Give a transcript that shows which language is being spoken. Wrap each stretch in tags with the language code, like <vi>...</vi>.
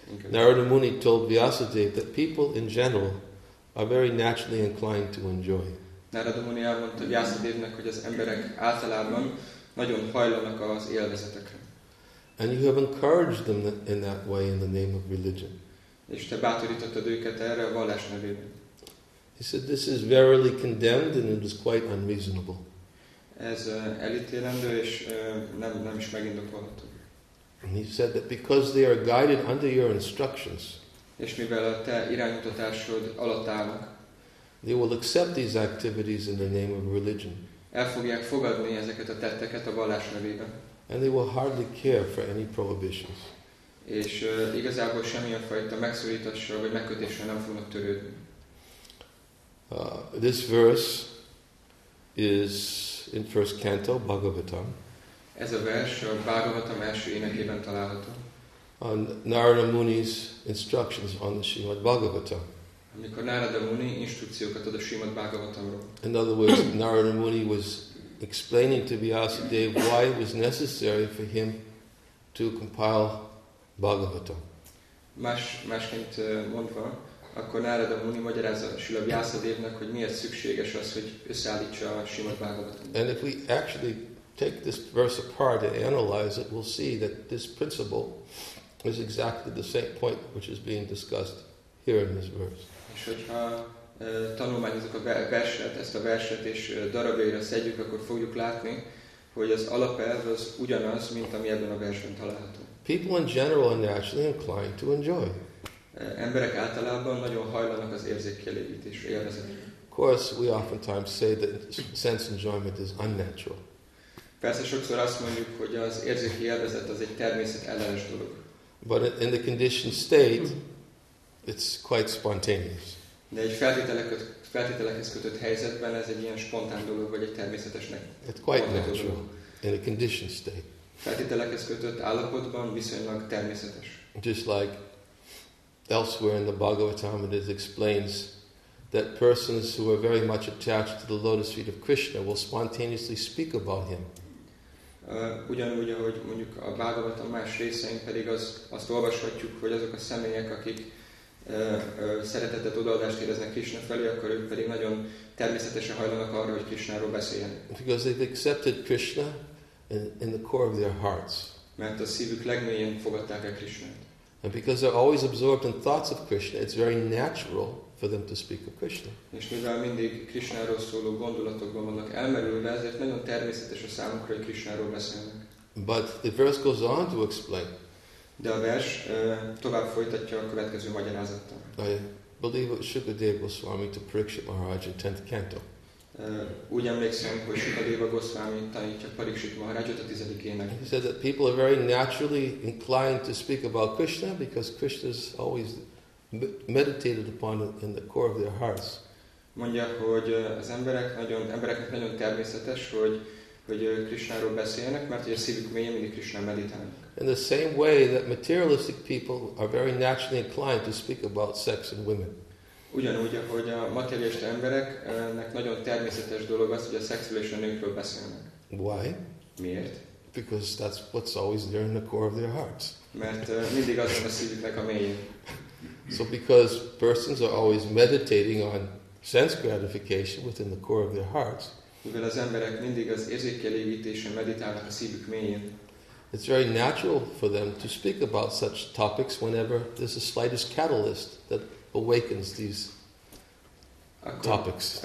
<en>Narada Muni told Vyasadeva that people in general are very naturally inclined to enjoy.</en> <hu>Narada Muni elmondta Vyasadevnek, hogy az emberek általában nagyon hajlanak az élvezetekre.</hu> <en>And you have encouraged them in that way in the name of religion.</en> <hu>És te bátorítottad őket erre a vallás nevében.</hu> <en>He said, this is verily condemned and it is quite unreasonable.</en> <hu>Ez elítélendő és nem is megindokolható.</hu> <en>And he said that because they are guided under your instructions,</en> <hu>és mivel a te irányítatásod alatt állnak,</hu> <en>they will accept these activities in the name of religion.</en> <hu>El fogják fogadni ezeket a tetteket a vallás nevében.</hu> <en>And they will hardly care for any prohibitions.</en> <hu>És igazából semmilyen fajta megszorítással vagy megkötéssel nem fognak törődni.</hu> <en>This verse is in first canto, Bhagavatam.</en> <hu>Ez a vers a Bhagavatam első énekében található.</hu> <en>On Narada Muni's instructions on the Srimad Bhagavatam.</en> <hu>Amikor Narada Muni instrukciókat ad a Srimad Bhagavatamról.</hu> <en>In other words, Narada Muni was explaining to Vyasadeva why it was necessary for him to compile Bhagavatam.</en> <hu>Másként mondva, akkor Narada Muni magyarázza Srila Vyasadevnek, hogy miért szükséges az, hogy összeállítsa a Srimad Bhagavatam.</hu> <en>And if we actually take this verse apart and analyze it, we'll see that this principle is exactly the same point which is being discussed here in this verse.</en> <hu>És hogyha tanulmányozzuk a verset, ezt a verset és darabjaira szedjük, akkor fogjuk látni, hogy az alapelv az ugyanaz, mint ami ebben a versben található.</hu> <en>People in general are naturally inclined to enjoy.</en> <hu>Emberek általában nagyon hajlanak az érzékkielégítésre, élvezetre.</hu> <en>Of course, we oftentimes say that sense enjoyment is unnatural.</en> <hu>Persze sokszor azt mondjuk, hogy az érzéki élvezet az egy természetellenes dolog.</hu> <en>But in the conditioned state, it's quite spontaneous.</en> <hu>De egy feltételekhez kötött helyzetben ez egy ilyen spontán dolog, vagy egy természetesnek.</hu> <en>It's quite natural in a conditioned state.</en> <hu>Feltételekhez kötött állapotban viszonylag természetes.</hu> <en>Just like elsewhere in the Bhagavatam, it explains that persons who are very much attached to the lotus feet of Krishna will spontaneously speak about him.</en> <hu>Ugyanúgy, ahogy mondjuk a Bhagavatam más részein pedig azt olvashatjuk, hogy azok a személyek, akik szeretetet, odaadást éreznek Krishna felé, akkor ők pedig nagyon természetesen hajlanak arra, hogy Krishnáról beszéljen.</hu> <en>Because they've accepted Krishna in the core of their hearts.</en> <hu>Mert a szívük legmélyén fogadták el Krishnát.</hu> <en>And because they're always absorbed in thoughts of Krishna, it's very natural for them to speak of Krishna.</en> <hu>És mivel mindig Krishnáról szóló gondolatokban vannak elmerülve, ezért nagyon természetes a számukra, hogy Krishnáról beszélnek.</hu> <en>But the verse goes on to explain.</en> <hu>De a vers tovább folytatja a következő magyarázattal.</hu> <en>I believe it was Sukadeva Goswami to Parikshit Maharaj in 10th canto.</en> <hu>Úgy emlékszem, hogy Sukadeva Goswami tanítja Parikshit Maharajot a 10. ének.</hu> <en>He said that people are very naturally inclined to speak about Krishna because Krishna is always meditated upon it in the core of their hearts.</en> <hu>Mondja, hogy az embereknek nagyon természetes, hogy Krishnáról beszélnek, mert a szívük mélyén mindig Krishna meditál.</hu> <en>In the same way that materialistic people are very naturally inclined to speak about sex and women.</en> <hu>Ugyanúgy, ahogy a materialista embereknek nagyon természetes dolog az, hogy a szexről és a nőkről beszélnek.</hu> <en>Why?</en> <hu>Miért?</hu> <en>Because that's what's always there in the core of their hearts.</en> <hu>Mert mindig az a szívüknek a mélyén.</hu> <en>So because persons are always meditating on sense gratification within the core of their hearts,</en> <hu>mivel az emberek mindig az érzékkielégítésen meditálnak a szívük mélyén,</hu> <en>it's very natural for them to speak about such topics whenever there's the slightest catalyst that awakens these topics.</en>